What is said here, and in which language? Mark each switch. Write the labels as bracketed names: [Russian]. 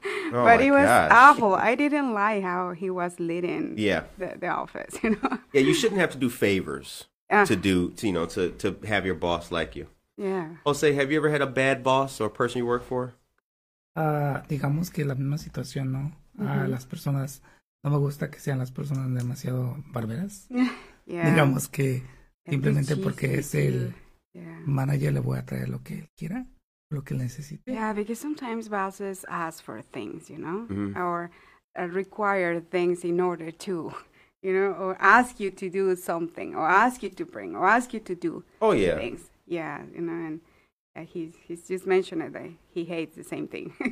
[English] But he was awful. I didn't like how he was leading the office, you know. Yeah, you shouldn't have to do favors to have your boss like you. Yeah. Jose, have you ever had a bad boss or a person you work for? [Spanish] Digamos que la misma situación, ¿no? Mm-hmm. Las personas, no me gusta que sean las personas demasiado barberas. [English] Yeah. [Spanish] Digamos que simplemente porque es el manager, le voy a traer lo que él quiera, lo que él necesite. [English] Yeah, because sometimes bosses ask for things, you know, mm-hmm. or require things in order to, you know, or ask you to do something, or ask you to bring, or ask you to do things. Yeah, you know, and he's just mentioned that he hates the same thing.